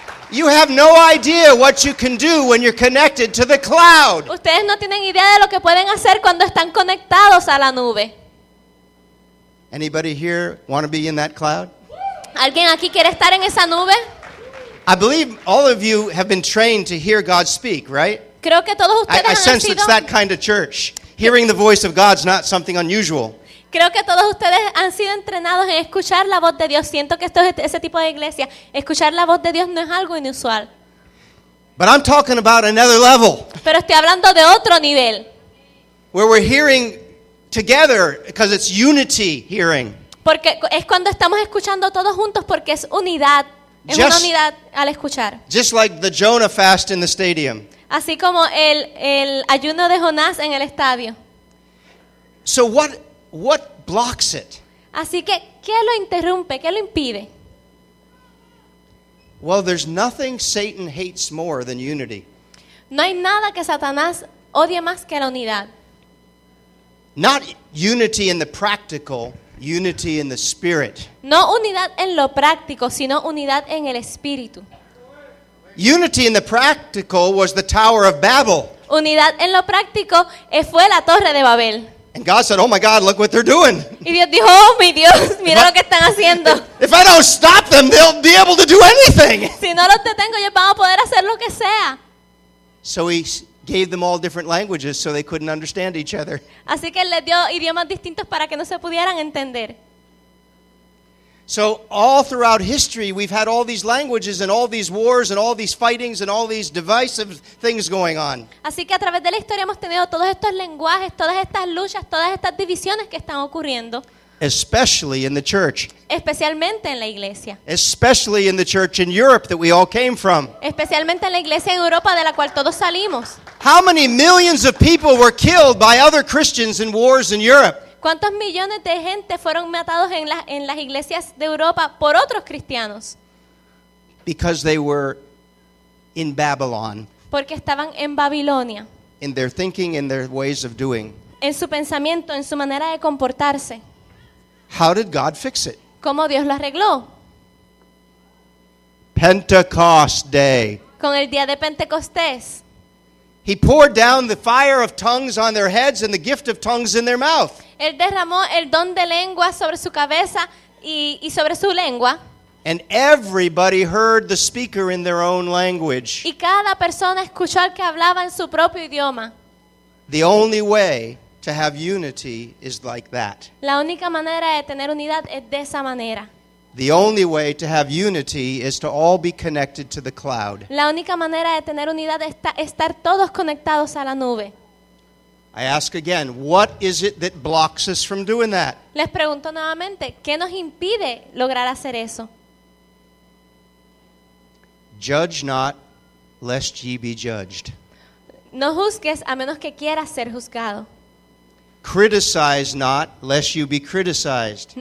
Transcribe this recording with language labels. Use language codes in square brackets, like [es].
[en] You have no idea what you can do when you're connected to the cloud. [es] Ustedes no tienen idea de lo que pueden hacer cuando están conectados a la nube. [en] Anybody here want to be in that cloud? [es] ¿Alguien aquí quiere estar en esa nube? [en] I believe all of you have been trained to hear God speak, right? [es] Creo que todos ustedes [en] I sense it's that kind of church. Hearing the voice of God's not something unusual. [es] Creo que todos ustedes han sido entrenados en escuchar la voz de Dios. Siento que esto es ese tipo de iglesia. Escuchar la voz de Dios no es algo inusual. [en] But I'm talking about another level. [es] Pero estoy hablando de otro nivel. [en] Where we're hearing together because it's unity hearing. [es] Porque es cuando estamos escuchando todos juntos porque es unidad. Es una unidad al escuchar. [en] Just like the Jonah fast in the stadium. [es] Así como el ayuno de Jonás en el estadio. [en] So what blocks it? [es] Así que, ¿qué lo interrumpe? ¿Qué lo impide? [en] Well, there's nothing Satan hates more than unity. [es] No hay nada que Satanás odie más que la unidad. [en] Not unity in the practical, unity in the spirit. [es] No unidad en lo práctico, sino unidad en el espíritu. [en] Unity in the practical was the Tower of Babel. [es] Unidad en lo práctico fue la Torre de Babel. [en] And God said, "Oh my God, look what they're doing." [es] Y Dios dijo, "Oh mi Dios, mira lo que están haciendo." [en] If I don't stop them, they'll be able to do anything. [es] Si no los detengo, ellos van a poder hacer lo que sea. [en] So he gave them all different languages so they couldn't understand each other. [es] Así que les dio idiomas distintos para que no se pudieran entender. [en] So all throughout history, we've had all these languages and all these wars and all these fightings and all these divisive things going on. [es] Así que a través de la historia hemos tenido todos estos lenguajes, todas estas luchas, todas estas divisiones que están ocurriendo. [en] Especially in the church. [es] Especialmente en la iglesia. [en] Especially in the church in Europe that we all came from. [es] Especialmente en la iglesia en Europa de la cual todos salimos. [en] How many millions of people were killed by other Christians in wars in Europe? [es] ¿Cuántos millones de gente fueron matados en las iglesias de Europa por otros cristianos? [en] Because they were in Babylon. [es] Porque estaban en Babilonia. [en] In their thinking, in their ways of doing. [es] En su pensamiento, en su manera de comportarse. [en] How did God fix it? [es] ¿Cómo Dios lo arregló? [en] Pentecost Day. [es] Con el día de Pentecostés. [en] He poured down the fire of tongues on their heads and the gift of tongues in their mouth. [es] Él derramó el don de lengua sobre su cabeza y sobre su lengua. [en] And everybody heard the speaker in their own language. [es] Y cada persona escuchó al que hablaba en su propio idioma. [en] The only way to have unity is like that. [es] La única manera de tener unidad es de esa manera. [en] The only way to have unity is to all be connected to the cloud. [es] La única manera de tener unidad es estar todos conectados a la nube. [en] I ask again, what is it that blocks us from doing that? [es] Les pregunto nuevamente, ¿qué nos impide lograr hacer eso? [en] Judge not, lest ye be judged. [es] No juzgues a menos que quieras ser juzgado. [en] Criticize not, lest you be criticized.